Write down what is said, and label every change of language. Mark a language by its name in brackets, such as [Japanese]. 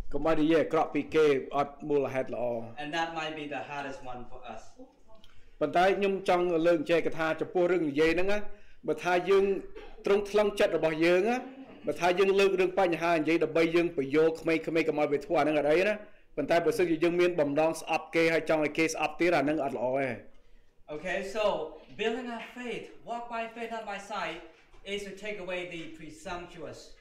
[Khmer] កុំឲ្យនិយាយអាក្រក់ពីគេអត់មូលហេតុល្អ [English] And that might be the hardest one for us. [Khmer] ប៉ុន្តែខ្ញុំចង់លើកចែកថាចំពោះរឿងនិយាយហ្នឹងបើថាយើងត្រង់ថ្លឹងចិត្តរបស់យើងណាបើថាយើងលើករឿងបញ្ហានិយាយដើម្បីយើងបយោក្មេងៗកុំឲ្យវាធ្វើអាហ្នឹងអត់អីណាប៉ុន្តែបើសិនជាយើងមានបំណងស្អប់គេហើយចង់ឲ្យគេស្អប់ទៀតអាហ្នឹងអត់ល្អទេ [English] Okay, so building our faith, walk by faith not by sight, is to take away the presumptuous.